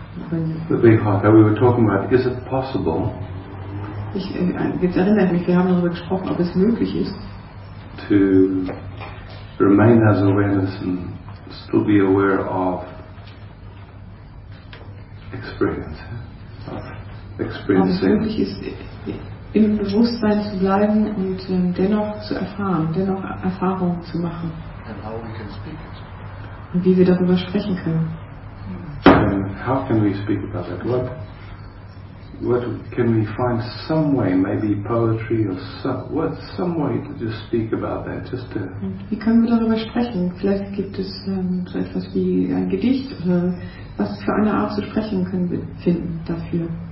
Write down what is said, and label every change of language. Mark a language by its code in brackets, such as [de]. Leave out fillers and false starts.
[en] the big heart, that we were talking about, is it possible? [de] Ich erinnere mich, wir haben darüber gesprochen, ob es möglich ist, [en] to remain as awareness and still be aware of experience, of experiencing. [de] Ob es möglich ist, im Bewusstsein zu bleiben und dennoch zu erfahren, dennoch Erfahrung zu machen. [en] And how we can speak it. [de] Und wie wir darüber sprechen können. [en] And how can we speak about that? What can we find some way, maybe poetry or some way to just speak about that, just to. [de] Wie können wir darüber sprechen? Vielleicht gibt es so etwas wie ein Gedicht oder was für eine Art zu sprechen können wir finden dafür.